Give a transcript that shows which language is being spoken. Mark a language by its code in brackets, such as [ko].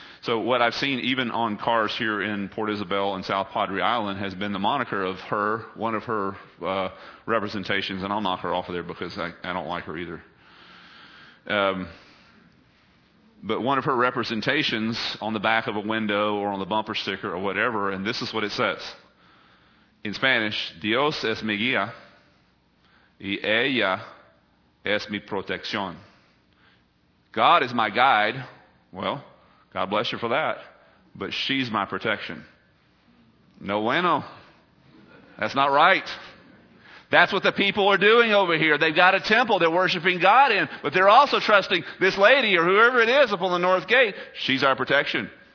[en] So what I've seen even on cars here in Port Isabel and South Padre Island has been the moniker of her, one of her representations. And I'll knock her off of there because I don't like her either. but one of her representations on the back of a window or on the bumper sticker or whatever, and this is what it says. In Spanish, [es] Dios es mi guía y ella es mi protección. [en] God is my guide. Well, God bless you for that. But she's my protection. [es] No bueno. [en] That's not right. That's what the people are doing over here. They've got a temple they're worshiping God in, but they're also trusting this lady or whoever it is up on the north gate. She's our protection.